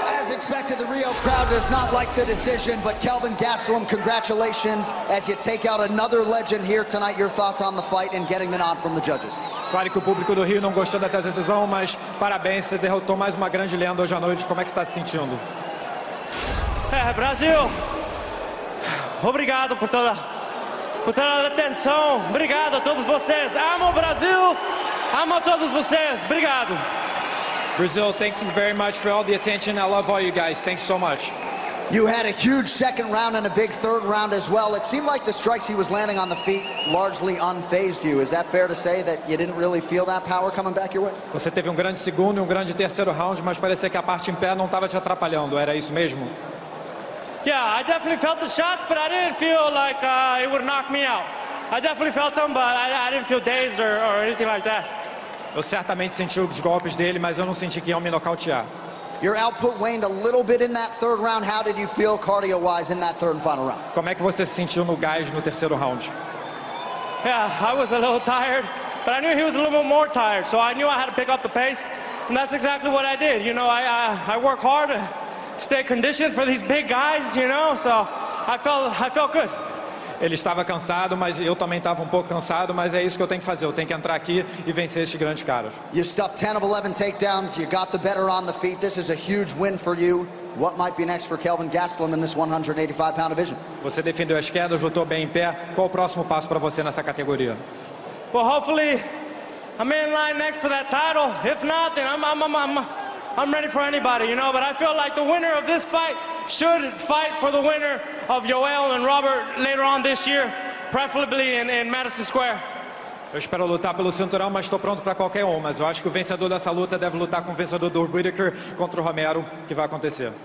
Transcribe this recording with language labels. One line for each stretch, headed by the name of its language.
English: Expected, the Rio crowd does not like the decision, but Kelvin Gastelum, congratulations as you take out another legend here tonight. Your thoughts on the fight and getting the nod from the judges?
Portuguese: Claro que o público do Rio não gostou da decisão, mas parabéns, você derrotou mais uma grande lenda hoje à noite. Como é que você está se sentindo? Brasil, obrigado por toda a atenção. Obrigado a todos vocês. Amo o Brasil, amo a todos vocês. Obrigado.
English: Brazil, thanks very much for all the attention. I love all you guys. Thanks so much. You had a huge second round and a big third round as well. It seemed like the strikes he was landing on the feet largely unfazed you. Is that fair to say that you didn't really feel that power coming back your way?
Portuguese: Você teve grande segundo e grande terceiro round, mas parecia que a parte em pé não estava te atrapalhando. Era isso mesmo?
English: Yeah, I definitely felt the shots, but I didn't feel like it would knock me out. I definitely felt them, but I didn't feel dazed or anything like that.
Portuguese: Eu certamente senti os golpes dele, mas eu não senti que iam me nocautear.
English: Your output waned a little bit in that third round. How did you feel cardio-wise in that third and final round?
Portuguese: Como é que você se sentiu no gás no terceiro round?
English: Yeah, I was a little tired, but I knew he was a little bit more tired, so I knew I had to pick up the pace, and that's exactly what I did. You know, I work hard to stay conditioned for these big guys, you know, so I felt good.
Portuguese: Ele estava cansado, mas eu também estava pouco cansado, mas é isso que eu tenho que fazer. Eu tenho que entrar aqui e vencer esses grandes caras.
English: You stuffed 10 of 11 takedowns. You got the better on the feet. This is a huge win for you. What might be next for Kelvin Gastelum in this 185-pound division?
Portuguese: Você defendeu as quedas, lutou bem em pé. Qual o próximo passo para você nessa categoria?
English: Well, hopefully, I'm in line next for that title. If not, then I'm ready for anybody, you know. But I feel like the winner of this fight should fight for the winner of Yoel and Robert later on this year, preferably in Madison Square.
Portuguese: Eu espero lutar pelo cinturão, mas estou pronto para qualquer um. Mas eu acho que o vencedor dessa luta deve lutar com o vencedor do Whitaker contra o Romero, que vai acontecer.